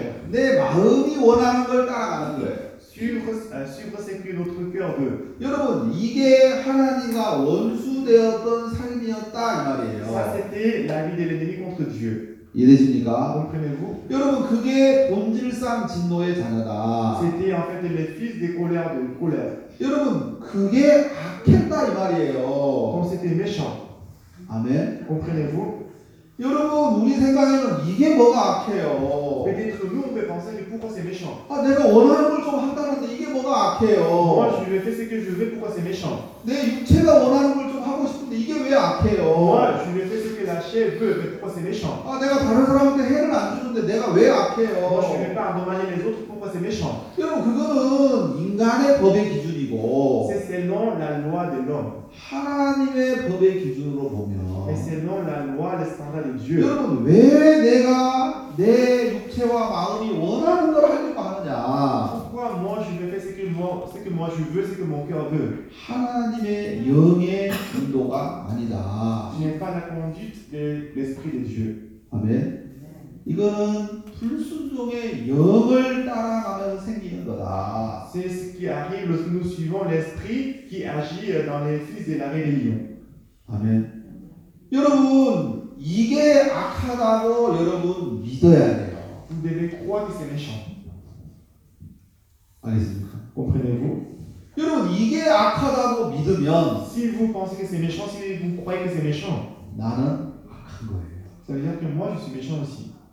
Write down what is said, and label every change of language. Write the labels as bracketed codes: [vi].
[ko] 내 마음이 원하는 걸 따라가는 거예요. [fr] Suivre ce que notre cœur veut. [ko] 여러분, 이게 하나님과 원수되었던 삶이었다 이 말이에요. [fr] Ça c'était la vie de l'ennemi contre Dieu. [ko] 이해되십니까? [fr] Comprenez-vous? [ko] 여러분, 그게 본질상 진노의 자녀다. [fr] C'était en fait le fils des colères de colère. [ko] 여러분, 그게 악했다 이 말이에요. [fr] Donc c'était méchant. Amen. Comprenez-vous? [ko] 여러분 우리 생각에는 이게 뭐가 악해요? [fr] Peut-être nous on peut penser mais pourquoi c'est méchant? [ko] 아 내가 원하는 걸 좀 한다는데 이게 뭐가 악해요? [fr] Moi je vais faire ce que je veux pourquoi c'est méchant? [ko] 내 육체가 원하는 걸 좀 하고 싶은데 이게 왜 악해요? [fr] Moi je vais faire ce que la chair veut mais pourquoi c'est méchant? [ko] 아 내가 다른 사람한테 해를 안 주는데 내가 왜 악해요? [fr] Moi je vais pas endommager les autres pourquoi c'est méchant? [ko] 여러분 그거는 인간의 법의 기준이고 [fr] C'est selon la loi de l'homme. [ko] 하나님의 법의 기준으로 보면 [fr] Et selon la loi, le standard de Dieu. [ko] 여러분 왜 내가 내 육체와 마음이 원하는 걸 하려고 하느냐? [fr] Pourquoi moi je veux faire ce que moi je veux, ce que mon cœur veut? [ko] 하나님의 영의 인도가 아니다. [fr] Ce n'est pas la conduite de l'esprit de Dieu. [ko] 아멘. 이거는 불순종의 영을 따라가면서 생기는 거다. [fr] C'est ce qui arrive lorsque nous suivons l'esprit qui agit dans les fils de la rébellion. [ko] 아멘. 여러분, 이게 악하다고 여러분 믿어야 돼요. [fr] Vous devez croire que c'est méchant. [ko] 알겠습니까? [fr] Comprenez-vous? [ko] 여러분, 이게 악하다고 믿으면 [fr] Si vous pensez que c'est méchant, si vous croyez que c'est méchant, [ko] 나는 악한 거예요. [fr] Ça veut dire que moi, je suis méchant aussi.